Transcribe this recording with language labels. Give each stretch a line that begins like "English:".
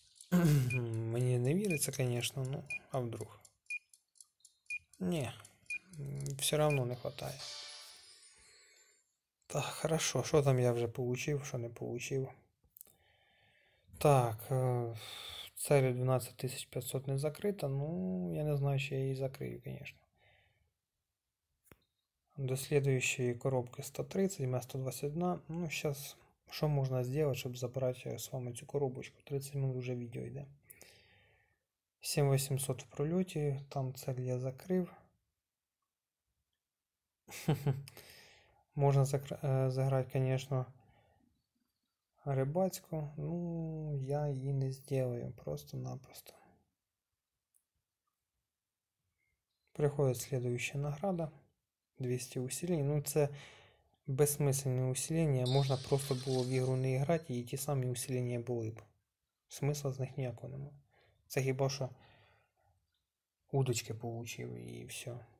Ukrainian: Мені не віриться, звісно, ну, а
Russian: вдруг?
Ukrainian: Ні,
Russian: все равно
Ukrainian: не хватає. Так,
Russian: хорошо,
Ukrainian: що там я вже получив, що не получив. Так,
Russian: Цель 12500 не закрыта. Ну, я не знаю, что я ее закрою, конечно. До следующей коробки 130, вместо 21. Ну, сейчас, что можно сделать, чтобы забрать с вами эту коробочку? 30 минут уже видео идет. 7800 в пролете. Там цель я закрыл. Можно заграть, конечно, рибацьку. Ну,
Ukrainian: я її
Russian: не сделаю просто-напросто. Приходить следующая награда. 200 усилений.
Ukrainian: Ну, це безсмислене усилення. Можна просто було в ігру не грати, і ті самі усилення були б. Смисла з них ніякого немає. Це хіба що удочки получив і все.